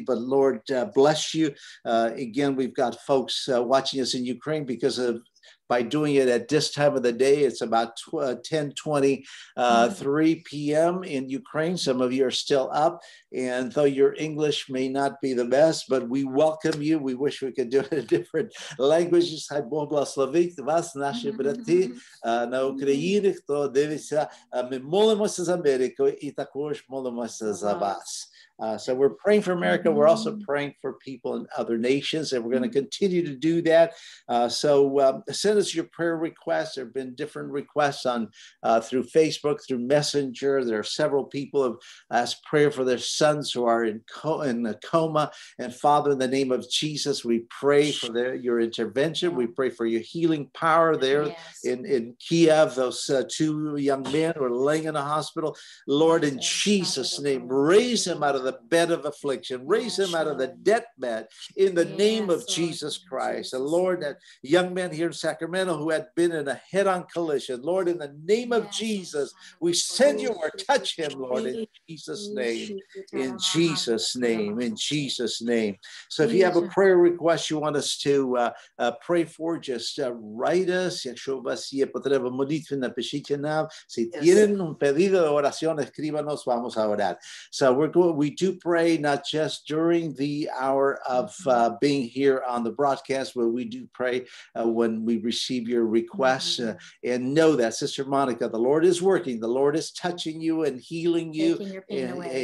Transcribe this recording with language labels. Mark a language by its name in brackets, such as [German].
[English] But Lord, bless you. Again, we've got folks watching us in Ukraine because of by doing it at this time of the day. It's about 10:23 p.m. in Ukraine. Some of you are still up, and though your English may not be the best, but we welcome you. We wish we could do it in different languages. [Ukrainian] Хай Бог благословить вас, наші брати, на Україні, хто дивиться. Ми молимося за Америку і також молимося за вас. [English] So we're praying for America. Mm-hmm. We're also praying for people in other nations, and we're going to continue to do that. Send us your prayer requests. There have been different requests on through Facebook, through Messenger. There are several people who have asked prayer for their sons who are in a coma. And Father, in the name of Jesus, we pray for your intervention. Yeah. We pray for your healing power there in Kiev, those two young men who are laying in a hospital. Lord, in Jesus' name, raise them out of the bed of affliction, raise him out of the death bed in the name of Jesus Christ. The Lord, that young man here in Sacramento who had been in a head-on collision, Lord, in the name of Jesus, we send you or touch him, Lord, in Jesus' name, in Jesus' name, in Jesus' name. So if you have a prayer request you want us to pray for, just write us. [Ukrainian] Якщо у вас є потреба молитви, напишіть нам. [Spanish] Si tienen un pedido de oración, escríbanos, vamos a orar. [English] So we do pray not just during the hour of being here on the broadcast, but we do pray when we receive receive your requests. Mm-hmm. And know that, Sister Monica, the Lord is working. The Lord is touching you and healing you. Taking your pain away.